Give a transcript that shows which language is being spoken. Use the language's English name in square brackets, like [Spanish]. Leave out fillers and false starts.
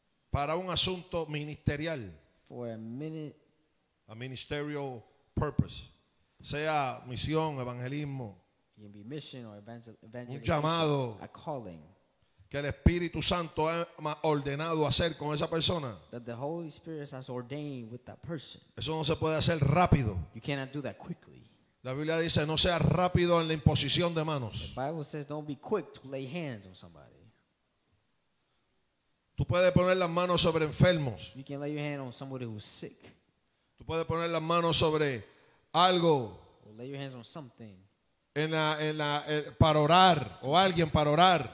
[Spanish] Para un asunto ministerial. [English] For a ministerial purpose. [Spanish] Sea misión, evangelismo. [English] It can be mission or evangelism. [Spanish] Un llamado. [English] A calling. [Spanish] que el Espíritu Santo ha ordenado hacer con esa persona. [English] That the Holy Spirit has ordained with that person. [Spanish] Eso no se puede hacer rápido. [English] You cannot do that quickly. [Spanish] La Biblia dice, no sea rápido en la imposición de manos. [English] The Bible says, don't be quick to lay hands on somebody. [Spanish] Tú puedes poner las manos sobre enfermos. [English] You can lay your hand on somebody who's sick. [Spanish] Tú puedes poner las manos sobre algo. [English] Or lay your hands on something. [Spanish] Para orar o alguien para orar.